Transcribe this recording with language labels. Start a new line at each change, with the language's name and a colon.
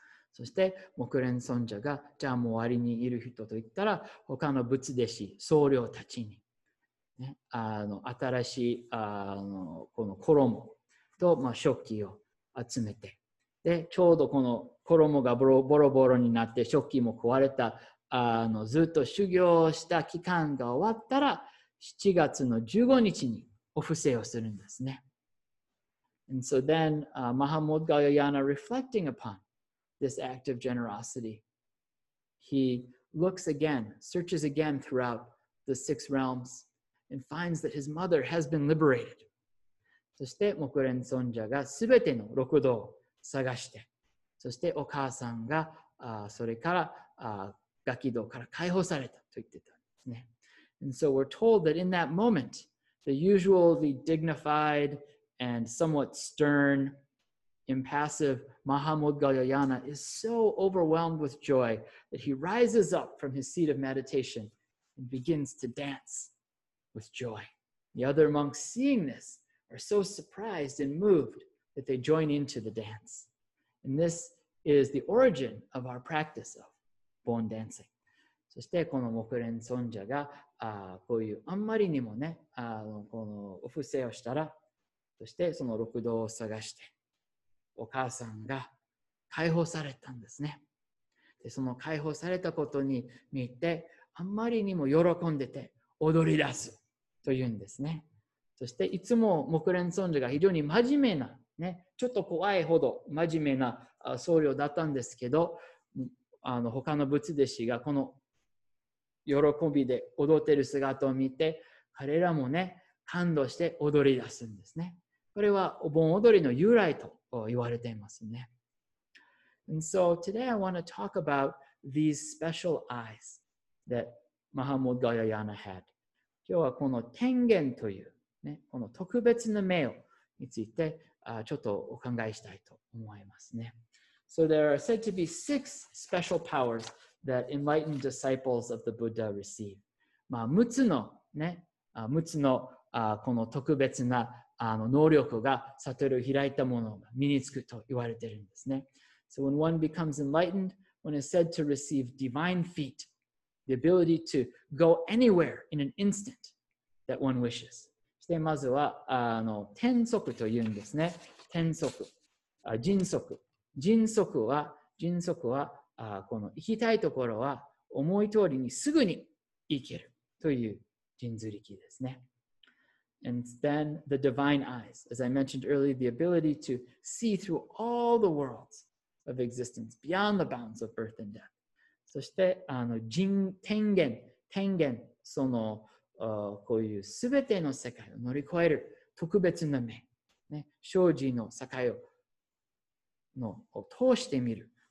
Japanese: そして木蓮尊者がじゃあもう終わりにいる人といったら他の仏弟子僧侶たちに、ね、新しいこの衣と、食器を集めてでちょうどこの衣がボロボロになって食器も壊れた、あのずっと修行した期間が終わったら7月の15日にお布施をするんですね。
English: And so then Mahamud Galyayana, reflecting upon this act of generosity, he looks again, searches again throughout the six realms and finds that his mother has been liberated.
Japanese: そして木蓮尊者がすべての六道を探して、そしてお母さんがそれからガキ道から解放されたと言ってたんですね。
English: And so we're told that in that moment, the usually dignified and somewhat stern, impassive Mahamud Galyayana is so overwhelmed with joy that he rises up from his seat of meditation and begins to dance with joy. The other monks, seeing this, are so surprised and moved that they join into the dance. And this is the origin of our practice of bon dancing.
Japanese: そしてこの木蓮尊者がこういうあんまりにもねこのお布施をしたら、そしてその六道を探してお母さんが解放されたんですね。でその解放されたことに見てあんまりにも喜んでて踊り出すというんですね。そしていつも木蓮尊者が非常に真面目なね、ちょっと怖いほど真面目な僧侶だったんですけど、他の仏弟子がこの喜びで踊ってる姿を見て、彼らもね、感動して踊り出すんですね。これはお盆踊りの由来と言われていますね。
English: And so today I want to talk about these special eyes that Mahamud Galyayana had.
Japanese: 今日はこの天眼という、ね、この特別な目をについてちょっとお考えしたいと思いますね。
English: So there are said to be six special powers that enlightened disciples of the Buddha receive.
Japanese: まあ、6つのね、6つのこの特別な能力が悟りを開いたものが身につくと言われているんですね。
English: So when one becomes enlightened, one is said to receive divine feet, the ability to go anywhere in an instant that one wishes.
Japanese: そしてまずは天足というんですね。天足、迅速。迅速は、迅速は、この行きたいところは思い通りにすぐに行けるという神通力ですね。
English: And then the divine eyes, as I mentioned earlier, the ability to see through all the worlds of existence beyond the bounds of birth and death.
Japanese: そして天眼、天眼、そのこういうすべての世界を乗り越える特別な目、ね、生死の境を通してみる。